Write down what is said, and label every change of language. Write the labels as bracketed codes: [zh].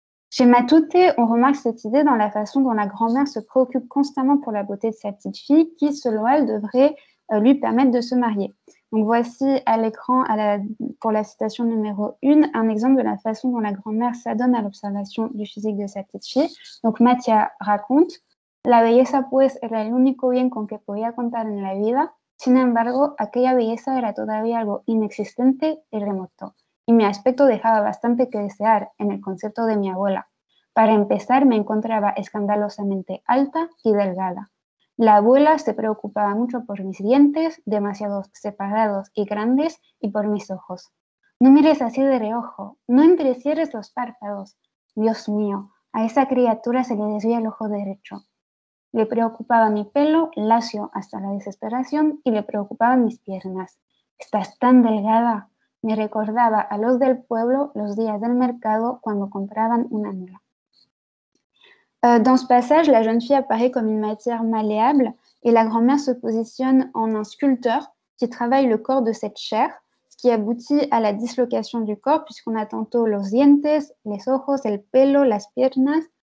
[fr] Chez Matoté, on remarque cette idée dans la façon dont la grand-mère se préoccupe constamment pour la beauté de sa petite fille qui, selon elle, devrait lui permettre de se marier. Donc voici à l'écran, pour la citation numéro 1, un exemple de la façon dont la grand-mère s'adonne à l'observation du physique de sa petite fille. Donc Mathia raconte: [es] La belleza, pues, era el único bien con que podía contar en la vida. Sin embargo, aquella belleza era todavía algo inexistente y remoto. Y mi aspecto dejaba bastante que desear, en el concepto de mi abuela. Para empezar, me encontraba escandalosamente alta y delgada. La abuela se preocupaba mucho por mis dientes, demasiado separados y grandes, y por mis ojos. No mires así de reojo, no entrecierres los párpados. Dios mío, a esa criatura se le desvía el ojo derecho. Le preocupaba mi pelo, lacio hasta la desesperación, y le preocupaban mis piernas. Estás tan delgada. Me recordaba a los del pueblo los días del mercado cuando compraban una mula. [fr] Dans ce passage, la jeune fille apparaît comme une matière malléable et la grand-mère se positionne en un sculpteur qui travaille le corps de cette chair, ce qui aboutit à la dislocation du corps puisqu'on a tantôt [es] los dientes, [fr] les ojos, [es] el pelo, las piernas.